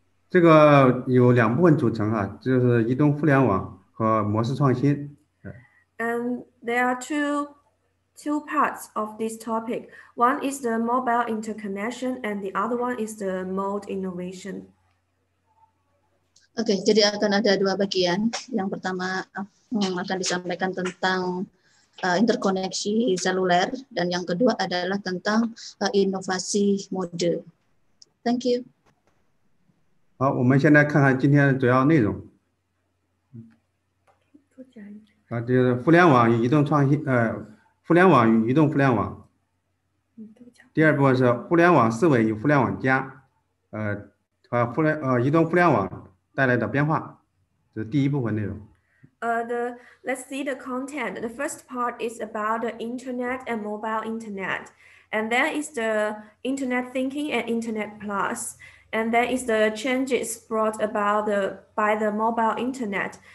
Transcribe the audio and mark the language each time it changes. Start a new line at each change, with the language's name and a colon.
Chinese: 这个有两部分组成啊，就是移动互联网和模式创新。
English: And there are two parts of this topic. One is the mobile interconnection, and the other one is the mode innovation.
Indonesian: Oke, jadi akan ada dua bagian. Yang pertama akan disampaikan tentang interkoneksi seluler, dan yang kedua adalah tentang inovasi mode.
English: Thank you.
Chinese: 好，我们现在看看今天的主要内容。啊，就是互联网与移动创新，互联网与移动互联网。第二部分是互联网思维与互联网加，和互联移动互联网带来的变化，这是第一部分内容。
English: Let's see the content. The first part is about the internet and mobile internet, and there is the internet thinking and internet plus. And that is the changes brought about by the mobile internet.